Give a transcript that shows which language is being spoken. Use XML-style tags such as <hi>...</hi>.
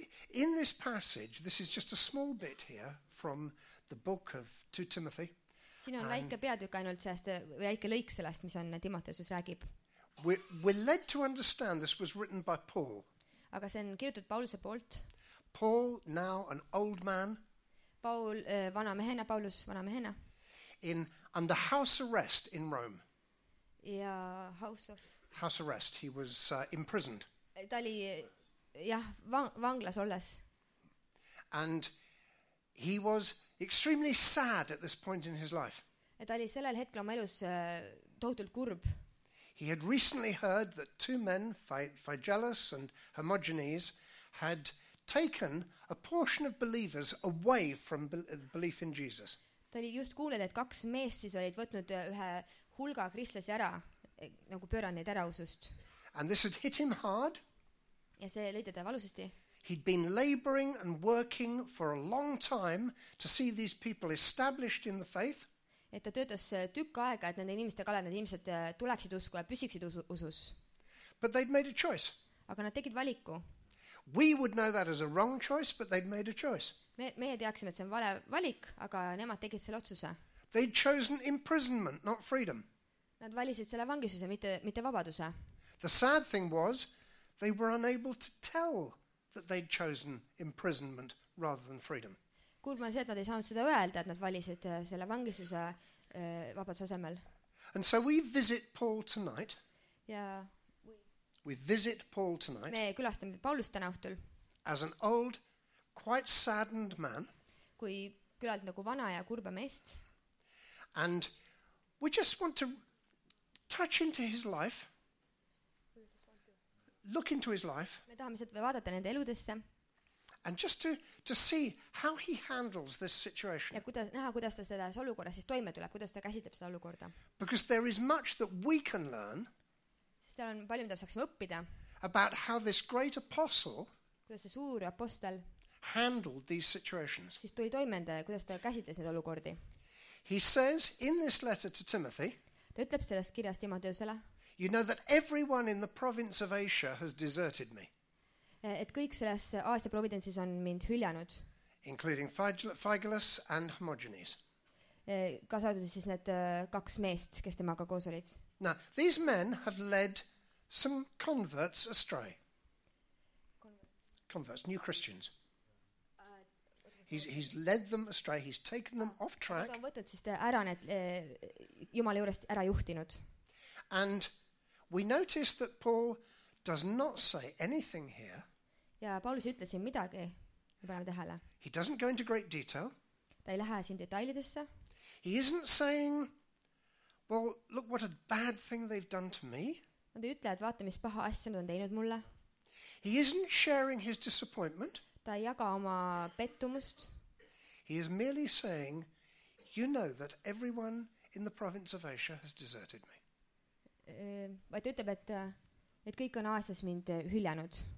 <en>In this passage, this is just a small bit here from the book of 2 Timothy.</en> <et>Siin on väike peatükk ainult sellest, väike lõik sellest, mis on Timoteuses räägib.</et> <en>We're led to understand this was written by Paul.</en> <et>Aga see on kirjutatud Pauluse poolt.</et> <en>Paul, now an old man.</en> <et>Paul, vana mehena, Paulus, vana mehena.</et> <en>In under house arrest in Rome. Ja house of... House arrest, he was imprisoned.</en> <et>Ta oli, jah, vanglas olles.</et> <en>And he was extremely sad at this point in his life.</en> <et>Ta oli sellel hetkel oma elus tohutult kurb.</et> <en>He had recently heard that two men, Phygellus and Hermogenes, had taken a portion of believers away from belief in Jesus.</en> <et>Ta oli just kuulnud, et kaks meest siis olid võtnud ühe hulga kristlasi ära, nagu pööranud ära usust.</et> <en>And this had hit him hard.</en> <et>Ja see lõi teda valusasti.</et> <en>He'd been laboring and working for a long time to see these people established in the faith.</en> <et>Et ta töötas tükk aega, et nende inimeste kallal need inimesed tuleksid usku ja püsiksid usus.</et> <en>But they'd made a choice.</en> <et>Aga nad tegid valiku.</et> <en>We would know that as a wrong choice, but they'd made a choice.</en> <et>Meie teaksime, et see on vale valik, aga nemad tegid selle otsuse.</et> <en>They'd chosen imprisonment, not freedom.</en> <et>Nad valisid selle vangisuse, mitte vabaduse.</et> <en>The sad thing was, they were unable to tell that they'd chosen imprisonment rather than freedom.</en> <et>Kurma see, et nad ei saanud seda öelda, et nad valisid selle vangisuse vabaduse asemel.</et> <en>And so we visit Paul tonight.</en> <et>Ja</et> <en>we visit Paul tonight.</en> <et>Me külastame Paulust täna õhtul.</et> <en>As an old, quite saddened man.</en> <et>Kui küllalt nagu vana ja kurba meest.</et> <en>And we just want to touch into his life. Look into his life.</en> <et>Me tahame seda vaadata nende eludesse.</et> <en>And just to see how he handles this situation.</en> <et>Ja kuidas näha, kuidas ta seda olukorda siis toime tuleb, kuidas ta käsitleb seda olukorda.</et> <en>Because there is much that we can learn.</en> <et>Seal on palju, mida saaksime õppida.</et> <en>About how this great apostle,</en> <et>kuidas see suur apostel</et> <en>handled these situations.</en> <et>Siis tuli toimenda ja kuidas ta käsitles need olukordi.</et> <en>He says in this letter to Timothy,</en> <et>ta ütleb sellest kirjast Timoteusele,</et> <en>you know that everyone in the province of Asia has deserted me.</en> <et>Et kõik selles Aasia providentsis on mind hüljanud.</et> <en>Including Phygellus and Hermogenes.</en> <et>Kasadud siis need kaks meest, kes temaga koos olid.</et> <en>Now, these men have led some converts astray. Converts, new Christians. He's led them astray. He's taken them off track.</en> <et>Ta on võtnud siis ära need Jumala juurest ära juhtinud.</et> <en>And we notice that Paul does not say anything here.</en> <et>Ja Paulus ütles siin midagi. Me paneme tähele.</et> <en>He doesn't go into great detail.</en> <et>Ta ei lähe siin detailidesse.</et> <en>He isn't saying, well, look what a bad thing they've done to me.</en> <et>Ta ei ütle, et vaata, mis paha asja nad on teinud mulle.</et> <en>He isn't sharing his disappointment.</en> <et>Ta ei jaga oma pettumust.</et> <en>He is merely saying, you know that everyone in the province of Asia has deserted me.</en> <et>Vaid ütleb, et kõik on Aasias mind hüljanud.</et>